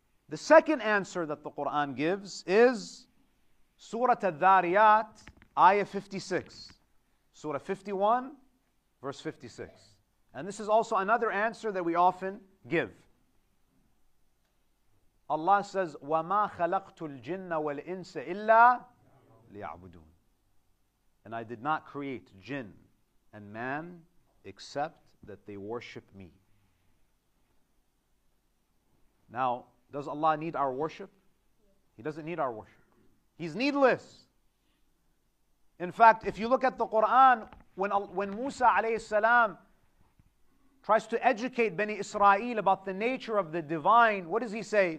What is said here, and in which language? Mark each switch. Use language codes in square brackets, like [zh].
[en] The second answer that the Qur'an gives is Surah Al-Dhariyat, ayah 56. Surah 51, verse 56. And this is also another answer that we often give. Allah says, [ar] وَمَا خَلَقْتُ الْجِنَّ وَالْإِنسَ إِلَّا لِيَعْبُدُونَ. [en] And I did not create jinn and man except that they worship me. Now, does Allah need our worship? He doesn't need our worship. He's needless. In fact, if you look at the Quran, when Musa alayhi salam tries to educate Bani Israel about the nature of the divine, what does he say?